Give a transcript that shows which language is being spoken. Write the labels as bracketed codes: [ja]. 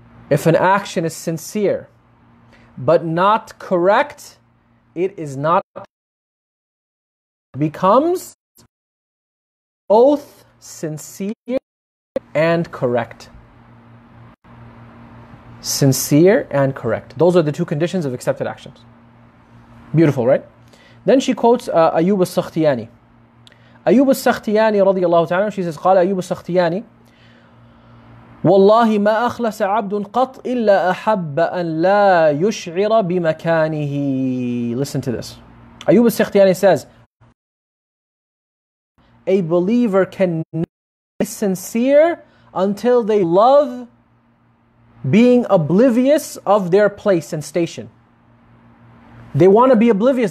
[en] If an action is sincere but not correct, it is not, becomes both sincere and correct. Sincere and correct. Those are the two conditions of accepted actions. Beautiful, right? Then she quotes Ayyub al-Sakhtiyani. [ar] Ayyub al-Sakhtiyani radiallahu ta'ala, [en] she says, [ar] قال Ayyub al-Sakhtiyani, والله ما أخلص عبد قط إلا أحب أن لا يشعر بمكانه. [en] Listen to this. Ayyub al-Sakhtiyani says, a believer can be sincere until they love being oblivious of their place and station. They want to be oblivious.